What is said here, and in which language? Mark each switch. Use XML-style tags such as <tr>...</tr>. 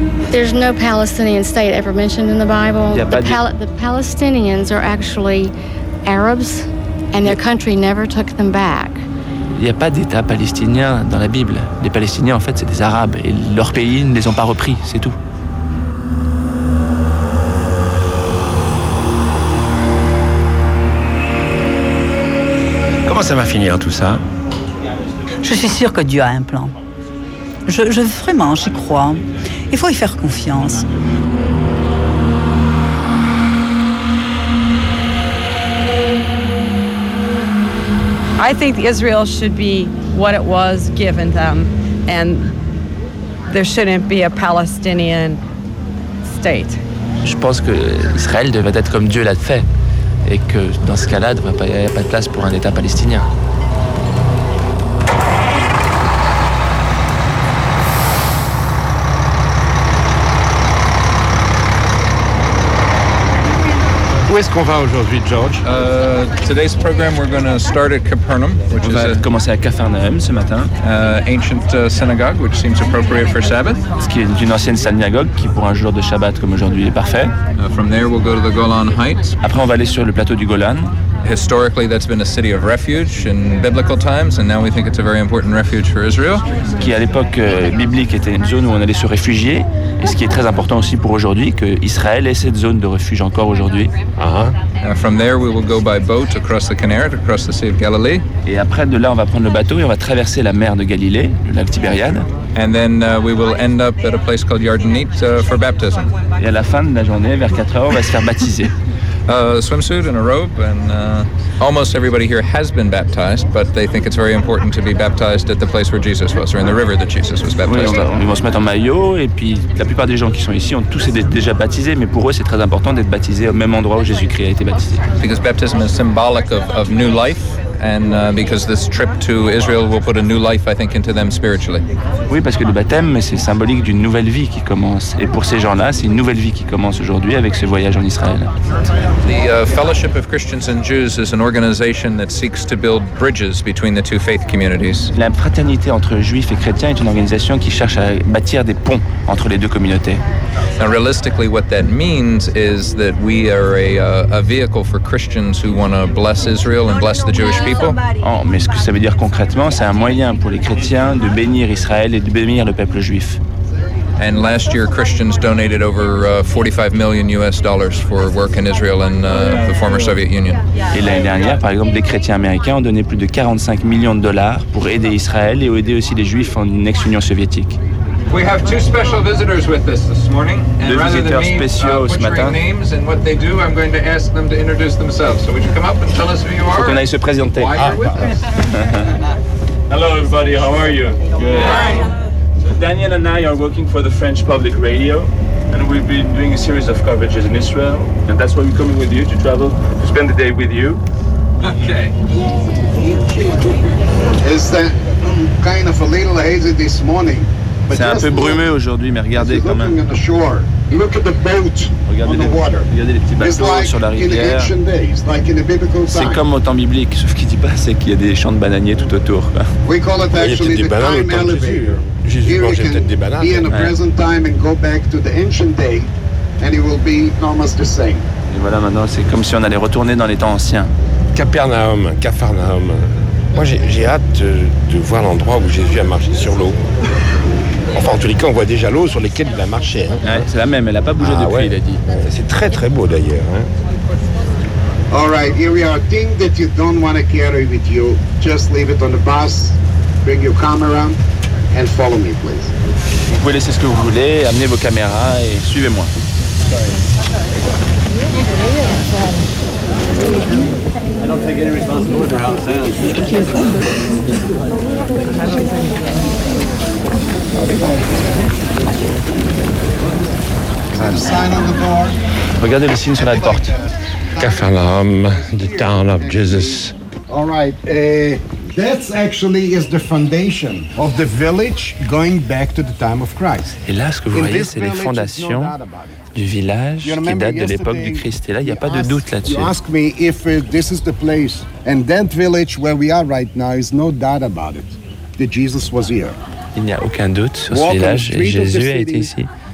<en>There's no Palestinian state ever mentioned in the Bible. The Palestinians are actually Arabs, and their country never took them back.</en> <fr>Il n'y a pas d'État palestinien dans la Bible. Les Palestiniens, en fait, c'est des Arabes, et leur pays ne les ont pas repris, c'est tout. Ça va finir tout ça. Je suis sûre que Dieu a un plan. Je vraiment, j'y crois. Il faut y faire confiance.</fr> <en>I think Israel should be what it was given them, and there shouldn't be a Palestinian state.</en> <fr>Je pense que Israël devait être comme Dieu l'a fait. Et que dans ce cas-là, il n'y a pas de place pour un État palestinien. Où est-ce qu'on va aujourd'hui, George?</fr> <en>Today's program, we're going to start at Capernaum, which</en> <fr>on</fr> <en>is</en> <fr>va commencer à Capernaum ce matin.</fr> <en>Ancient synagogue, which seems appropriate for Sabbath.</en> <fr>Ce qui est une ancienne synagogue qui pour un jour de Shabbat comme aujourd'hui est parfait.</fr> <en>From there, we'll go to the Golan Heights.</en> <fr>Après, on va aller sur le plateau du Golan.</fr> <en>Historically, that's been a city of refuge in biblical times, and now we think it's a very important refuge for Israel.</en> <fr>Qui à l'époque biblique était une zone où on allait se réfugier, et ce qui est très important aussi pour aujourd'hui, que Israël ait cette zone de refuge encore aujourd'hui.</fr> <en>From there, we will go by boat across the Kinneret, across the Sea of Galilee.</en> <fr>Et après de là, on va prendre le bateau et on va traverser la mer de Galilée, le lac Tibériade.</fr> <en>And then we will end up at a place called Yardenit for baptism.</en> <fr>Et à la fin de la journée, vers 4 heures, on va se faire baptiser.</fr> <en>A swimsuit and a rope, and almost everybody here has been baptized, but they think it's very important to be baptized at the place where Jesus was, or in the river that Jesus was baptized.</en> <fr>Oui, ils vont se mettre en maillot, et puis la plupart des gens qui sont ici ont tous été déjà baptisés, mais pour eux c'est très important d'être baptisé au même endroit où Jésus-Christ a été baptisé.</fr> <en>Because baptism is symbolic of new life, and because this trip to Israel will put a new life, I think, into them spiritually.</en> <fr>Oui, parce que le baptême, c'est symbolique d'une nouvelle vie qui commence. Et pour ces gens-là, c'est une nouvelle vie qui commence aujourd'hui avec ce voyage en Israël.</fr> <en>The Fellowship of Christians and Jews is an organization that seeks to build bridges between the two faith communities.</en> <fr>La fraternité entre juifs et chrétiens est une organisation qui cherche à bâtir des ponts entre les deux communautés.</fr> <en>Now, realistically, what that means is that we are a vehicle for Christians who want to bless Israel and bless the Jewish people.</en> <fr>Oh, mais ce que ça veut dire concrètement, c'est un moyen pour les chrétiens de bénir Israël et de bénir le peuple juif.</fr> <en>And last year, Christians donated over $45 million for work in Israel and the former Soviet Union.</en> <fr>Et l'année dernière, par exemple, les chrétiens américains ont donné plus de $45 million pour aider Israël et aider aussi les juifs en ex-Union soviétique.</fr> <en>We have two special visitors with us this morning.</en> <fr>Deux visiteurs spéciaux ce matin.</fr> <en>Names and what they do, I'm going to ask them to introduce themselves. So would you come up and tell us who you are?</en> <fr>Faut qu'on aille se présenter.</fr> <en>Hello everybody, how are you? Good. Hi. So Daniel and I are working for the French Public Radio, and we've been doing a series of coverages in Israel, and that's why we're coming with you to travel, to spend the day with you. Okay. It's kind of a little hazy this morning.</en> <fr>C'est un peu brumeux aujourd'hui, mais regardez quand même.</fr> <en>Look at the boat</en> <fr>regardez,</fr> <en>on the water.</en> <fr>Regardez les petits bateaux</fr> <en>like</en> <fr>sur la rivière. C'est comme au temps biblique, sauf qu'il ne dit pas c'est qu'il y a des champs de bananiers tout autour.</fr> <en>We call it actually</en> <fr>il y a peut-être des bananes au temps de Jésus. Jésus mangeait peut-être des bananes. Ouais. Et voilà, maintenant, c'est comme si on allait retourner dans les temps anciens. Capernaum, Capharnaüm. Moi, j'ai hâte de voir l'endroit où Jésus a marché sur l'eau. Enfin, en tous les cas, on voit déjà l'eau sur laquelle il a marché. Hein. Ouais, c'est la même, elle n'a pas bougé depuis, il a dit. C'est très, très beau, d'ailleurs. Hein.</fr> <en>All right, here we are. Thing that you don't want to carry with you, just leave it on the bus, bring your camera, and follow me, please.</en> <fr>Vous pouvez laisser ce que vous voulez, amenez vos caméras et suivez-moi. Regardez le signe sur la porte.</fr> <en>Capernaum, the town of Jesus. All right, that's actually is the foundation of the village going back to the time of Christ.</en> <fr>Et là, ce que vous voyez, c'est les fondations du village qui date de l'époque du Christ. Et là, il n'y a pas de doute là-dessus.</fr> <en>You ask me if this is the place, and that village where we are right now is no doubt about it. That Jesus was here.</en> <fr>Il n'y a aucun doute sur ce village, et Jésus a été ici.</fr>